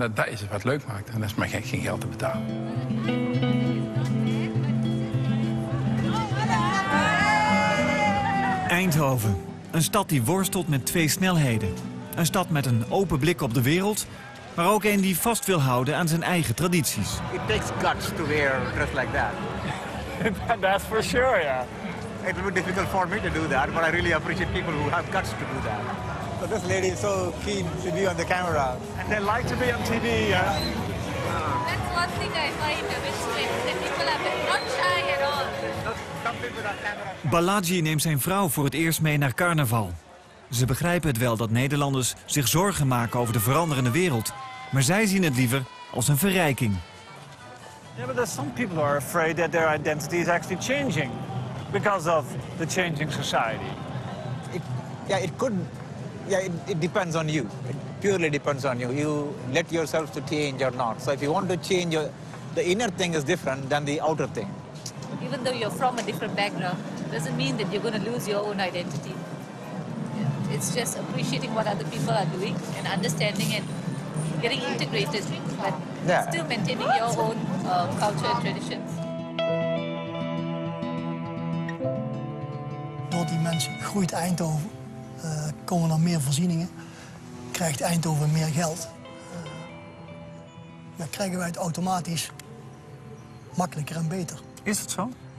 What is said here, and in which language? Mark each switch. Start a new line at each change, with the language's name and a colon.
Dutch: En dat is wat leuk maakt en dat is maar geen geld te betalen. Eindhoven. Een stad die worstelt met twee snelheden. Een stad met een open blik op de wereld, maar ook een die vast wil houden aan zijn eigen tradities.
English: It takes guts to wear dress like that. That's for sure, yeah. It would be difficult for me to do that, but I really appreciate people who have guts to do that. But this lady is so keen to be on the camera. And they like to be on TV, yeah? That's one thing I find a bit strange, that people have been not shy at all.
Dutch: Balaji neemt zijn vrouw voor het eerst mee naar carnaval. Ze begrijpen het wel dat Nederlanders zich zorgen maken over de veranderende wereld, maar zij zien het liever als een verrijking.
English: Yeah, but there are some people who are afraid that their identity is actually changing because of the changing society. It depends on you. It purely depends on you. You let yourself to change or not. So if you want to change, the inner thing is different than the outer thing. Even though you're from a different background, doesn't mean that you're going to lose your own identity. It's just appreciating what other people are doing and understanding and getting integrated, but still maintaining your own culture and traditions.
Dutch: Door die mensen groeit Eindhoven, komen er meer voorzieningen, krijgt Eindhoven meer geld. Dan krijgen wij het automatisch makkelijker en beter. Is het zo?